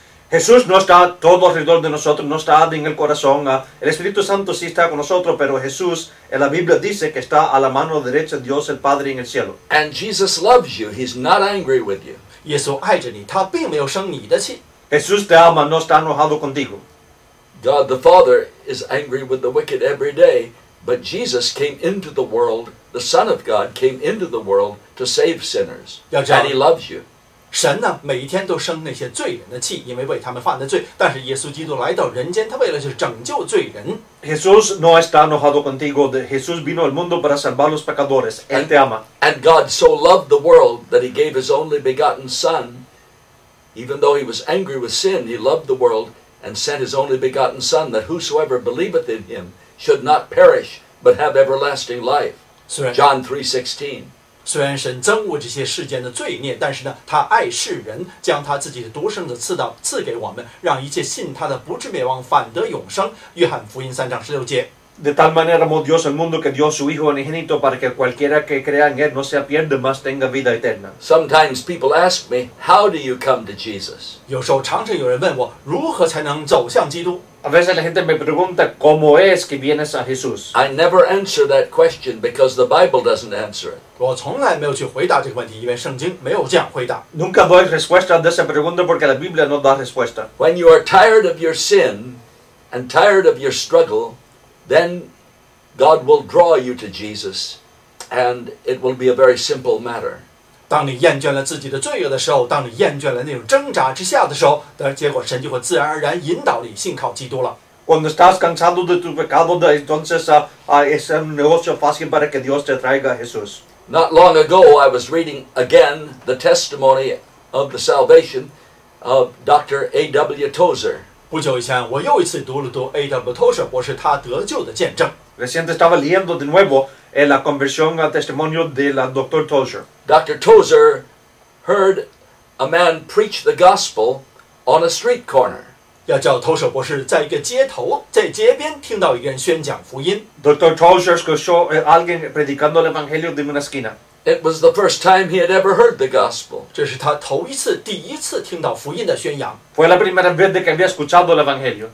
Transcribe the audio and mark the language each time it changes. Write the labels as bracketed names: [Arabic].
[Spanish] Jesús no está todo alrededor de nosotros, no está en el corazón. El Espíritu Santo sí está con nosotros, pero Jesús en la Biblia dice que está a la mano derecha de Dios el Padre en el cielo. [English] And Jesus loves you. He's not angry with you. [Chinese] 耶稣爱着你，他并没有生你的气。 [Spanish] Jesús te ama, no está enojado contigo. [English] God the Father is angry with the wicked every day, But Jesus came into the world, the Son of God came into the world to save sinners. And he loves you. [Chinese] 神呢每一天都生那些罪人的气，因为为他们犯的罪。但是耶稣基督来到人间，他为了是拯救罪人。 [Spanish] Jesús no está enojado contigo. Jesús vino al mundo para salvar los pecadores. Él te ama. [English] And God so loved the world that he gave his only begotten son. Even though he was angry with sin, he loved the world and sent his only begotten son that whosoever believeth in him should not perish but have everlasting life. John 3:16. [Chinese] 虽然神憎恶这些世间的罪孽，但是呢，他爱世人，将他自己的独生子赐到赐给我们，让一切信他的不至灭亡，反得永生。约翰福音3:16。 [Spanish] De tal manera amó Dios el mundo que dio su hijo unigénito para que cualquiera que crea en él no se pierda, mas tenga vida eterna. [English] Sometimes people ask me, how do you come to Jesus? [Chinese] 有时候常常有人问我，如何才能走向基督？ [Spanish] A veces la gente me pregunta cómo es que vienes a Jesús. [English] I never answer that question because the Bible doesn't answer it. [Chinese] 我从来没有去回答这个问题，因为圣经没有这样回答。 [Spanish] Nunca doy respuesta a esa pregunta porque la Biblia no da respuesta. [English] When you are tired of your sin and tired of your struggle, then God will draw you to Jesus, and it will be a very simple matter. [Chinese] 当你厌倦了自己的罪恶的时候，当你厌倦了那种挣扎之下的时候，的结果神就会自然而然引导你信靠基督了。 [Spanish] Cuando estás cansado de tu pecado, entonces es un negocio fácil para que Dios te traiga a Jesús. [English] Not long ago, I was reading again the testimony of the salvation of Dr. A.W. Tozer. [Chinese] 不久以前，我又一次读了读 A.W. Tozer 博士他得救的见证。 [Spanish] Reciente estaba leyendo de nuevo la conversión al testimonio de la Dr. Tozer. [English] Dr. Tozer heard a man preach the gospel on a street corner. [Chinese] 要叫 Tozer 博士在一个街头，在街边听到一个人宣讲福音。 [Spanish] Dr. Tozer escuchó a alguien predicando el evangelio de una esquina. [English] It was the first time he had ever heard the gospel. [Chinese] 这是他头一次，第一次听到福音的宣扬。 [Spanish] Fue la primera vez que había escuchado el evangelio.